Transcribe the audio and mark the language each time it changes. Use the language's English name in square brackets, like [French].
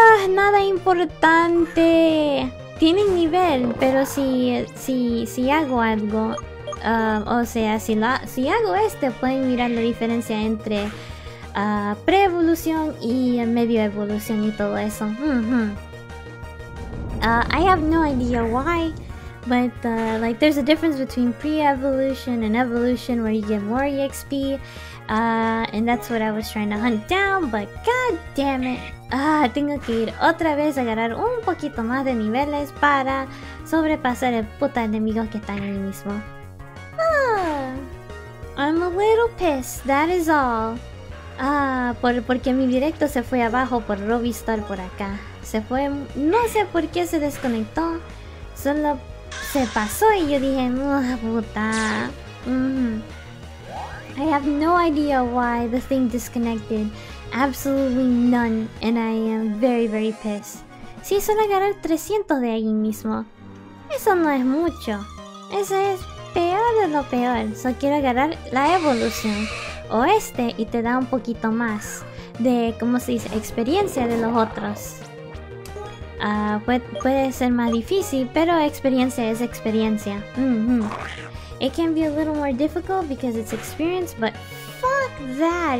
[Spanish] Nada importante. Tienen nivel, pero si hago algo, si hago este, pueden mirar la diferencia entre pre-evolución y medio evolución y todo eso. [English] I have no idea why, but like there's a difference between pre-evolution and evolution where you get more EXP, and that's what I was trying to hunt down, but god damn it. [Spanish] Tengo que ir otra vez a agarrar un poquito más de niveles para sobrepasar el puta enemigo que está ahí mismo. [English] I'm a little pissed, that is all. [Spanish] Porque mi directo se fue abajo por Robistar por acá. Se fue, no sé por qué se desconectó. Solo se pasó y yo dije, ¡oh, puta! [English] I have no idea why the thing disconnected. Absolutely none. And I am very, very pissed. [Spanish] Sí, solo agarrar 300 de ahí mismo. Eso no es mucho. Eso es peor de lo peor. Solo quiero agarrar la evolución. O este, y te da un poquito más de, ¿cómo se dice? Experiencia de los otros. Puede ser más difícil, pero experiencia es experiencia. [English] It can be a little more difficult because it's experience, but fuck that!